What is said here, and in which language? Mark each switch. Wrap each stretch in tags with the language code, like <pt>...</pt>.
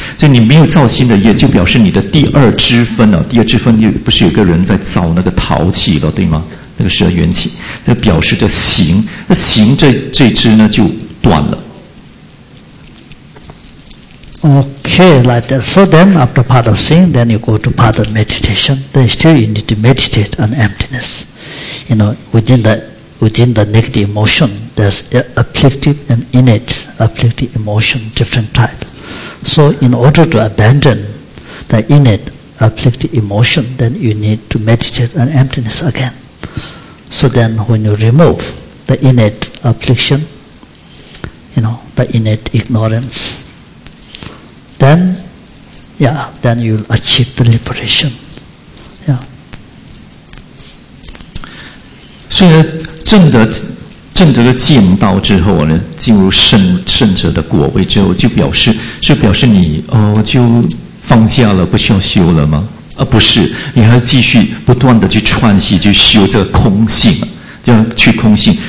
<zh>所以你没有造新的业，就表示你的第二支分啊，第二支分又不是有个人在造那个陶器了，对吗？那个十二缘起，这表示的行，那行这支呢就断了。</zh> <en>Okay, like that. So then, after part of sin, then you go to part of meditation. Then still you need to meditate on emptiness. You know, within the negative emotion, there's afflictive and innate afflictive emotion, different type. So in order to abandon the innate afflictive emotion, then you need to meditate on emptiness again. So then when you remove the innate affliction, you know, the innate ignorance, then, yeah, then you'll achieve the liberation. Yeah.</en> <zh>所以证得了见道之后呢，进入圣者的果位之后，就表示你哦，就放下了，不需要修了吗？而不是，你还要继续不断的去串习，去修这个空性，就要去空性。</zh>